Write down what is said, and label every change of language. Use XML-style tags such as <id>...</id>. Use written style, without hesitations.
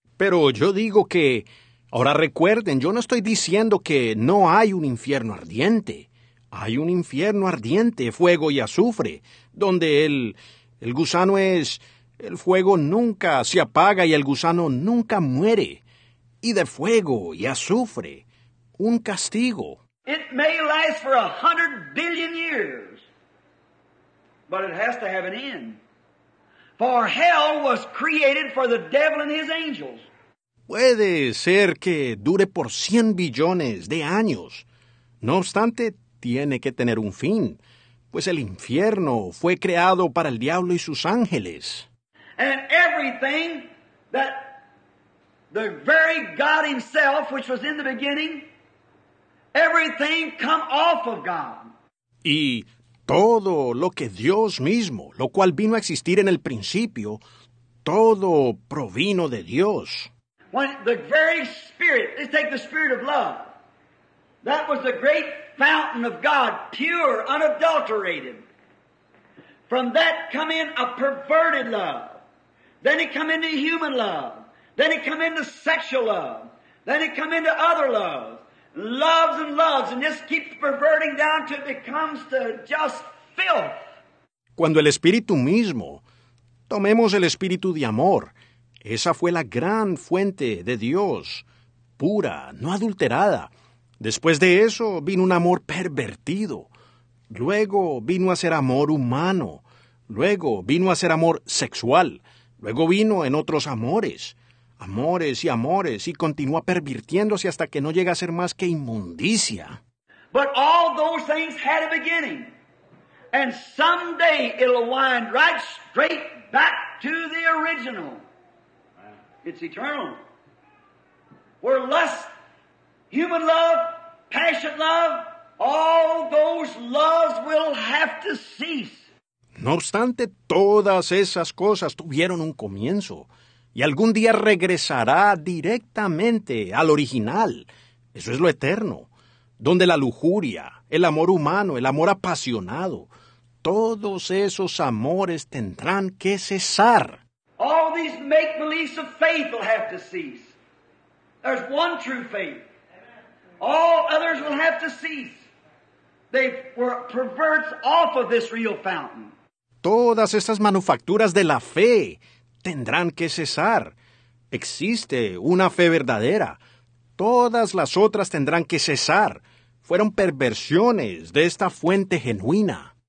<es>Pero yo digo que, ahora recuerden, yo no estoy diciendo que no hay un infierno ardiente. Hay un infierno ardiente, fuego y azufre, donde el gusano es, el fuego nunca se apaga y el gusano nunca muere. Y de fuego y azufre, un castigo.</es> <en>It may last for 100 billion years, but it has to have an end. For hell was created for the devil and his angels.</en> <es>Puede ser que dure por 100 billones de años. No obstante, tiene que tener un fin, pues el infierno fue creado para el diablo y sus ángeles.</es> <en>And everything that the very God himself, which was in the beginning, everything come off of God.</en> <es>Y todo lo que Dios mismo, lo cual vino a existir en el principio, todo provino de Dios.</es> <en>When the very spirit, let's take the spirit of love. That was the great fountain of God, pure, unadulterated. From that come in a perverted love. Then it come into human love. Then it come into sexual love. Then it come into other love. Loves and loves, and this keeps perverting down till it becomes to just filth.</en> <es>Cuando el espíritu mismo, tomemos el espíritu de amor, esa fue la gran fuente de Dios, pura, no adulterada. Después de eso vino un amor pervertido. Luego vino a ser amor humano. Luego vino a ser amor sexual. Luego vino en otros amores. Amores y amores, y continúa pervirtiéndose hasta que no llega a ser más que inmundicia.</es> <en>But all those things had a beginning, and someday it'll wind right straight back to the original. It's eternal. Where lust, human love, passion love, all those loves will have to cease.</en> <es>No obstante, todas esas cosas tuvieron un comienzo. Y algún día regresará directamente al original, eso es lo eterno, donde la lujuria, el amor humano, el amor apasionado, todos esos amores tendrán que cesar.</es> <en>All these make-beliefs of faith will have to cease. There's one true faith. All others will have to cease. They were perverts off of this real fountain.</en> <es>Todas estas manufacturas de la fe tendrán que cesar. Existe una fe verdadera. Todas las otras tendrán que cesar. Fueron perversiones de esta fuente genuina.</es>